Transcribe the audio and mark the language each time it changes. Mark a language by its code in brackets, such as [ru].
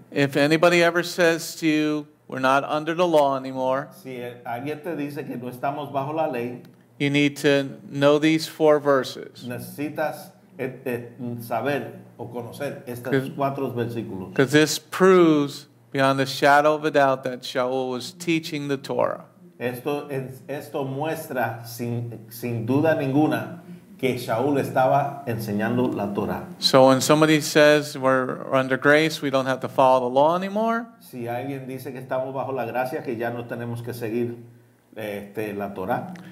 [en] If anybody ever says to you, we're not under the law anymore, [es] si alguien te dice que no estamos bajo la ley, [en] you need to know these 4 verses. [es] Necesitas saber o conocer estos 4 versículos. [en] Because this proves beyond a shadow of a doubt that Shaul was teaching the Torah. [es] Esto muestra sin duda ninguna que Shaul estaba enseñando la Torah. [en] So when somebody says we're under grace, we don't have to follow the law anymore. [es] Si alguien dice que estamos bajo la gracia, que ya no tenemos que seguir la Torah.